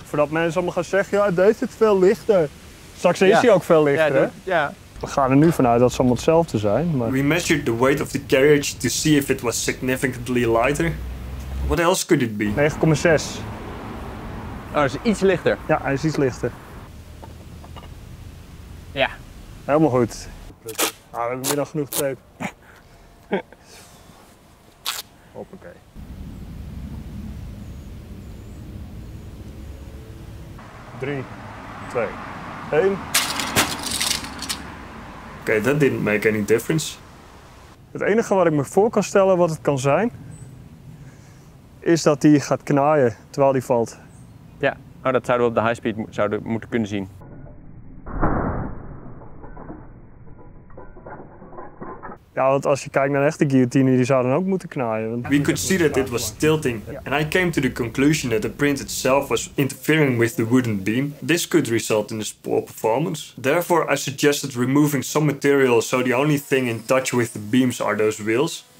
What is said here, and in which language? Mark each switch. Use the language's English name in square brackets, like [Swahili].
[Dutch] Voordat mensen allemaal gaan zeggen, ja, deze is veel lichter. Straks is hij ook veel lichter. Ja, ja. We gaan er nu vanuit dat ze allemaal hetzelfde zijn. Maar... [English] We measured the weight of the carriage to see if it was significantly lighter. What else could it be? [Dutch] 9,6. Oh, hij is iets lichter. Ja, hij is iets lichter. Ja. Helemaal goed. Ah, we hebben weer nog genoeg tape. Hoppakee. Drie, twee, één. [English] Okay, that didn't make any difference. [Dutch] Het enige wat ik me voor kan stellen wat het kan zijn... is dat die gaat knaaien terwijl die valt. Ja, nou, dat zouden we op de high speed zouden moeten kunnen zien. Ja, want als je kijkt naar echte guillotine, die zou dan ook moeten knaaien. Want [English] we could see that it was tilting. Yeah. And I came to the conclusion that the print itself was interfering with the wooden beam. This could result in a poor performance. Therefore, I suggested removing some material so the only thing in touch with the beams are those wheels.